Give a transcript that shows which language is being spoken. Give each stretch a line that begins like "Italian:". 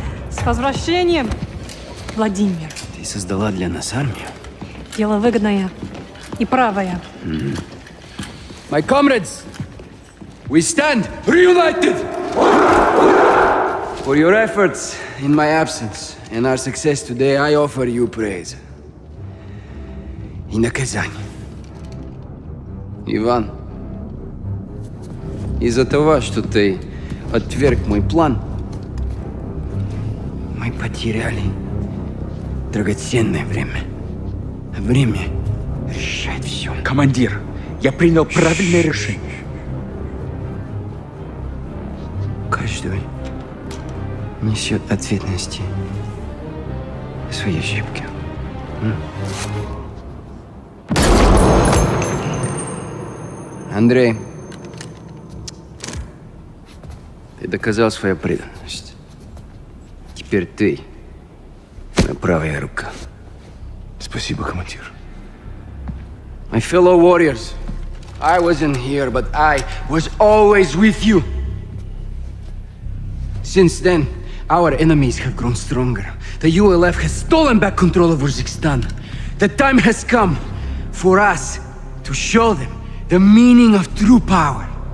Russian: С возвращением, Владимир. Ты создала для нас армию? Дело выгодное и правое.
English: My comrades, we stand reunited for your efforts in my absence and our success today. I offer you praise.
Russian: И наказание. Иван, из-за того, что ты отверг мой план, мы потеряли драгоценное время. Время решает все. Командир. Я принял правильное решение. Каждый несет ответственности свои ошибки. Андрей, ты доказал свою преданность. Теперь ты моя правая рука. Спасибо, командир.
English: My fellow warriors, I wasn't here, but I was always with you. Since then, our enemies have grown stronger. The ULF has stolen back control of Uzbekistan. The time has come for us to show them the meaning of true power.